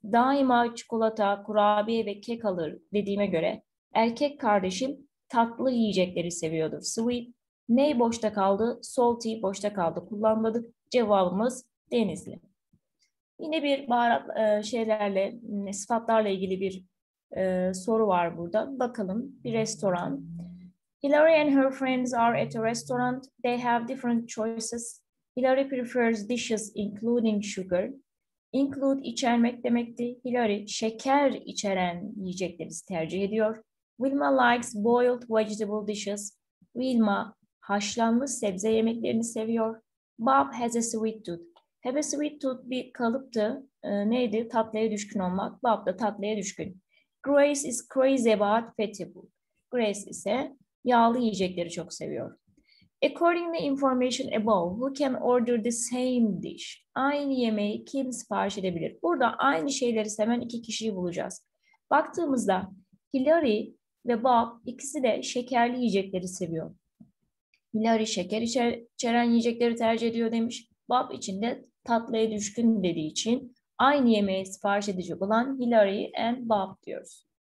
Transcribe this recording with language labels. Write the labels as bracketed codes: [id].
[tr] Daima çikolata, kurabiye ve kek alır dediğime göre erkek kardeşim tatlı yiyecekleri seviyordur. Sweet. Ne boşta kaldı? Salty boşta kaldı. Kullanmadık. Cevabımız Denizli. Yine bir baharat şeylerle, sıfatlarla ilgili bir soru var burada. Bakalım bir restoran. [en] Hilary and her friends are at a restaurant. They have different choices. Hilary prefers dishes including sugar. [tr] Include içermek demekti. Hilary şeker içeren yiyecekleri tercih ediyor. [en] Wilma likes boiled vegetable dishes. [tr] Wilma haşlanmış sebze yemeklerini seviyor. [en] Bob has a sweet tooth. Have a sweet tooth [tr] bir kalıptı. Neydi? Tatlıya düşkün olmak. Bob da tatlıya düşkün. [en] Grace is crazy about fatty food. [tr] Grace ise yağlı yiyecekleri çok seviyor. [en] According to information above, who can order the same dish? [tr] Aynı yemeği kim sipariş edebilir? Burada aynı şeyleri seven iki kişiyi bulacağız. Baktığımızda Hillary ve Bob ikisi de şekerli yiyecekleri seviyor. Hillary şeker içeren yiyecekleri tercih ediyor demiş. Bob için de tatlıya düşkün dediği için aynı yemeği sipariş edecek olan Hillary and Bob diyoruz.